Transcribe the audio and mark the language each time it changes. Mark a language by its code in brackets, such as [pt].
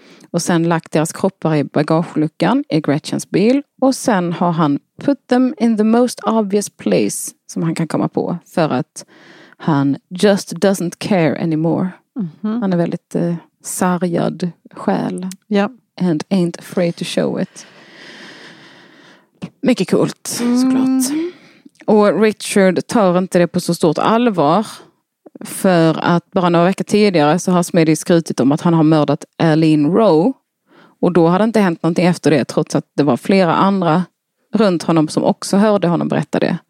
[sv] Och sen lagt deras kroppar i bagageluckan i Gretchens bil. Och sen har han [en] put them in the most obvious place [sv] som han kan komma på. För att han [en] just doesn't care anymore. Mm-hmm. [sv] Han är väldigt sargad själ. Yeah. [en] And ain't afraid to show it. [sv] Mycket coolt, såklart. Mm. Och Richard tar inte det på så stort allvar, för att bara några veckor tidigare så har Smitty skrutit om att han har mördat Aline Rowe. Och då hade inte hänt någonting efter det, trots att det var flera andra runt honom som också hörde honom berätta det.